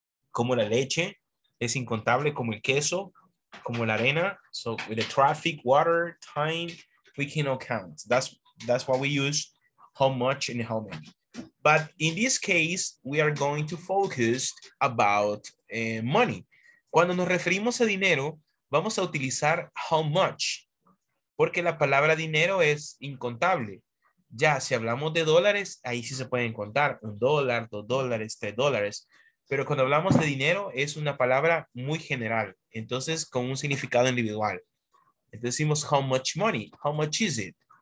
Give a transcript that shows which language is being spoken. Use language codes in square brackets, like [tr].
[es] Como la leche es incontable, como el queso, como la arena. [en] So with the traffic, water, time, we cannot count. That's why we use how much and how many. But in this case, we are going to focus about money. [es] Cuando nos referimos a dinero, vamos a utilizar how much, porque la palabra dinero es incontable. Ya, si hablamos de dólares, ahí sí se pueden contar. Un dólar, dos dólares, tres dólares. Pero cuando hablamos de dinero, es una palabra muy general. Entonces, con un significado individual. Entonces decimos [en] how much money, how much is it?